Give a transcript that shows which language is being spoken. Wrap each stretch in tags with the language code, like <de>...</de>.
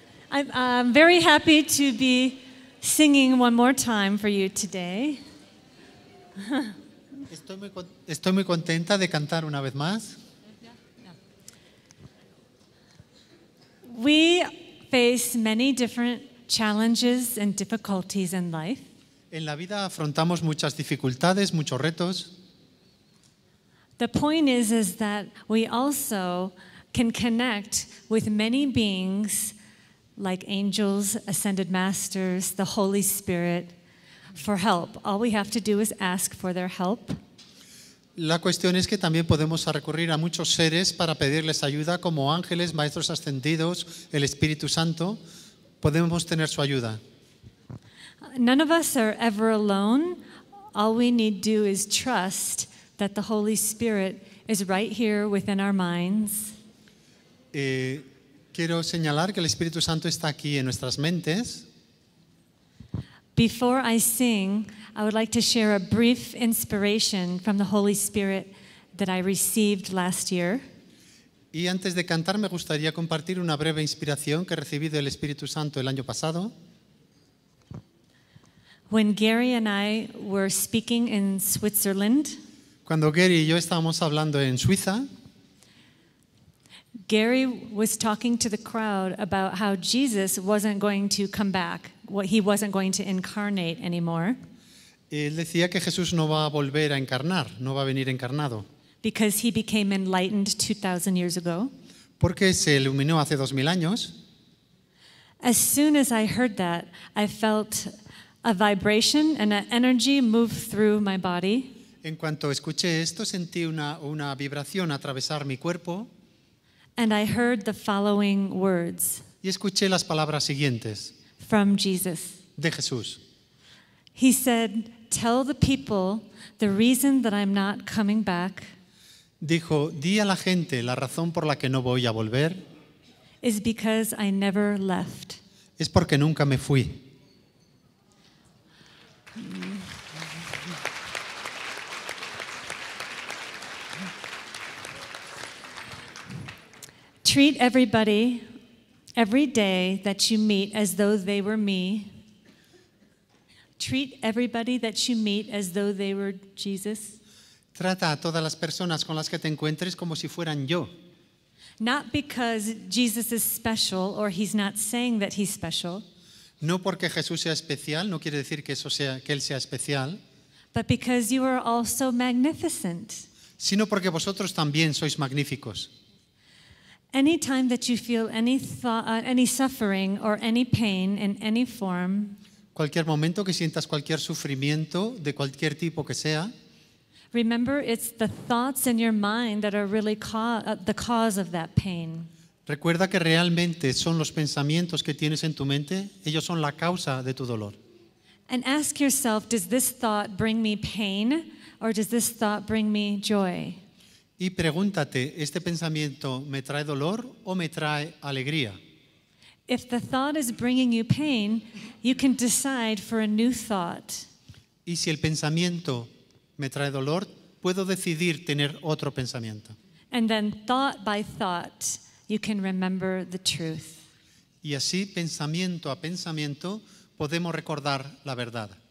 <en>I'm very happy to be singing one more time for you today.</en> <es>Estoy muy contenta de cantar una vez más.</es> <en>We face many different challenges and difficulties in life.</en> <es>En la vida afrontamos muchas dificultades, muchos retos.</es> <en>The point is that we also can connect with many beings like angels, ascended masters, the Holy Spirit for help. All we have to do is ask for their help.</en> <es>La cuestión es que también podemos recurrir a muchos seres para pedirles ayuda, como ángeles, maestros ascendidos, el Espíritu Santo. Podemos tener su ayuda.</es> <en>None of us are ever alone. All we need to do is trust that the Holy Spirit is right here within our minds.</en> <es>Quiero señalar que el Espíritu Santo está aquí en nuestras mentes.</es> <en>Before I sing, I would like to share a brief inspiration from the Holy Spirit that I received last year.</en> <es>Y antes de cantar, me gustaría compartir una breve inspiración que recibí del Espíritu Santo el año pasado.</es> <en>When Gary and I were speaking in Switzerland,</en> <es>cuando Gary y yo estábamos hablando en Suiza,</es> <en>Gary was talking to the crowd about how Jesus wasn't going to come back, what he wasn't going to incarnate anymore.</en> <es>Él decía que Jesús no va a volver a encarnar, no va a venir encarnado.</es> <en>Because he became enlightened 2,000 years ago.</en> <es>Porque se iluminó hace 2,000 años.</es> <en>As soon as I heard that, I felt a vibration and an energy move through my body.</en> <es>En cuanto escuché esto, sentí una vibración atravesar mi cuerpo.</es> <en>And I heard the following words.</en> <es>Y escuché las palabras siguientes.</es> <en>From Jesus.</en> <es>De Jesús.</es> <en>He said, "Tell the people the reason that I'm not coming back."</en> <es>Dijo, "Di a la gente la razón por la que no voy a volver."</es> <en>Is because I never left.</en> <es>Es porque nunca me fui.</es> <en>Treat everybody every day that you meet as though they were me. Treat everybody that you meet as though they were Jesus.</en> <es>Trata a todas las personas con las que te encuentres como si fueran yo.</es> <en>Not because Jesus is special or he's not saying that he's special.</en> <es>No porque Jesús sea especial, no quiere decir que eso sea que él sea especial.</es> <en>But because you are also magnificent.</en> <es>Sino porque vosotros también sois magníficos.</es> <en>Any time that you feel any suffering or any pain in any form,</en> <es>cualquier momento que sientas cualquier sufrimiento de cualquier tipo que sea,</es> <en>remember it's the thoughts in your mind that are really the cause of that pain.</en> <es>Recuerda que realmente son los pensamientos que tienes en tu mente, ellos son la causa de tu dolor.</es> <en>And ask yourself, does this thought bring me pain or does this thought bring me joy?</en> <es>Y pregúntate, ¿este pensamiento me trae dolor o me trae alegría?</es> <en>If the thought is bringing you pain, you can decide for a new thought.</en> <es>Y si el pensamiento me trae dolor, puedo decidir tener otro pensamiento.</es> <en>And then thought by thought, you can remember the truth.</en> <es>Y así, pensamiento a pensamiento, podemos recordar la verdad.</es>